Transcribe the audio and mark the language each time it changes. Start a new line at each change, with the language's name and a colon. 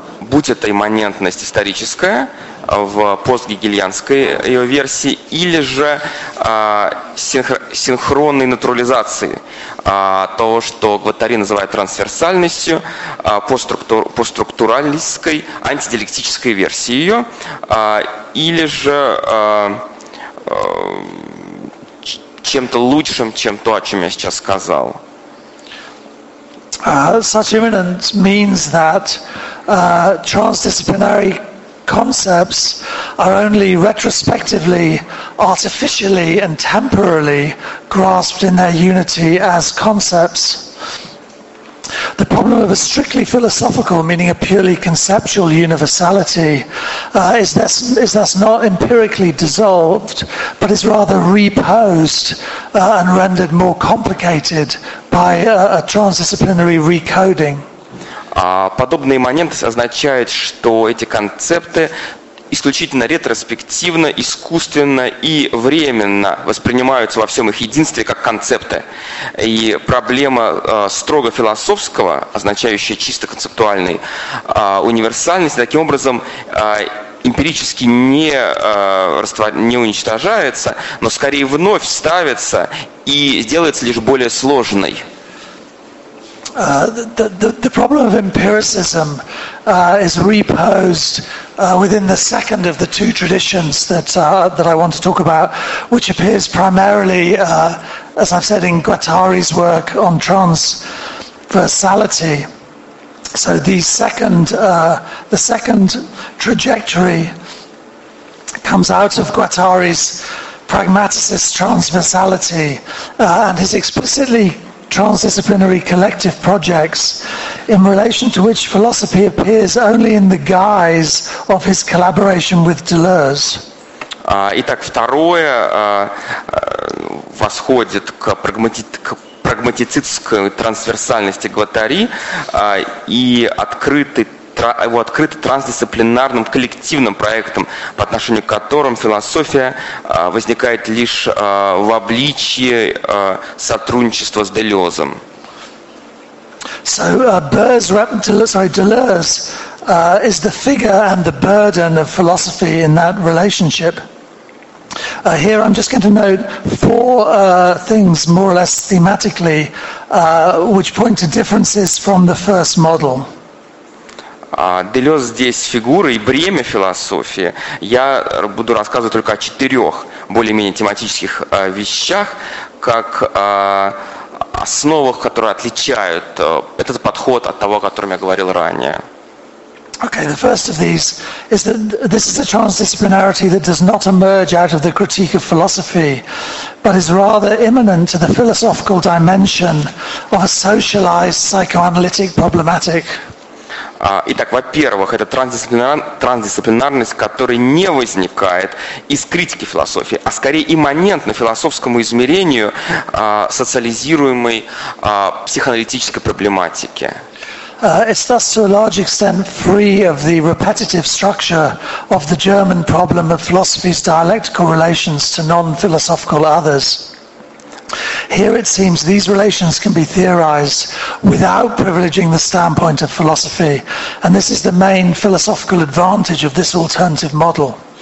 Russian: будь это имманентность историческая в постгегельянской ее версии, или же синхронной натурализации того, что Гватари называет трансверсальностью, постструктуралистской, антидиалектической версии ее, или же чем-то лучшим, чем то, о чем я сейчас сказал.
English: Such immanence means that transdisciplinary concepts are only retrospectively, artificially, and temporarily grasped in their unity as concepts. The problem of a strictly philosophical, meaning a purely conceptual universality, is thus not empirically dissolved, but is rather reposed and rendered more complicated by a transdisciplinary recoding.
Russian: Подобная имманентность означает, что эти концепты исключительно ретроспективно, искусственно и временно воспринимаются во всем их единстве как концепты. И проблема строго философского, означающая чисто концептуальной универсальности, таким образом эмпирически не уничтожается, но скорее вновь ставится и делается лишь более сложной.
English: The problem of empiricism is reposed within the second of the two traditions that I want to talk about, which appears primarily, as I've said, in Guattari's work on transversality. So the second trajectory comes out of Guattari's pragmaticist transversality and his explicitly transdisciplinary collective projects, in relation to which philosophy appears only in the guise of his collaboration with Deleuze.
Russian: Итак, второе восходит к прагматицистской трансверсальности Гватари и его открытым трансдисциплинарным коллективным проектом, по отношению к которым философия возникает лишь в обличии сотрудничества с Делёзом.
English: So Deleuze is the figure and the burden of philosophy in that relationship. Here I'm just going to note four things more or less thematically which point to differences from the first model.
Russian: Делёз здесь фигура и бремя философии. Я буду рассказывать только о четырех более-менее тематических вещах, как основах, которые отличают этот подход от того, о котором я говорил ранее.
English: Okay, the first of these is that this is a transdisciplinarity that does not emerge out of the critique of philosophy, but is rather immanent to the philosophical dimension of a socialized psychoanalytic problematic.
Russian: Итак, во-первых, это трансдисциплинарность, которая не возникает из критики философии, а скорее имманентна философскому измерению социализируемой психоаналитической проблематики.
English: It's thus to a large extent free of the repetitive structure of the German problem of philosophy's dialectical relations to non-philosophical others. Here it seems these relations can be theorized without privileging the standpoint of philosophy, and this is the main philosophical advantage of this alternative model.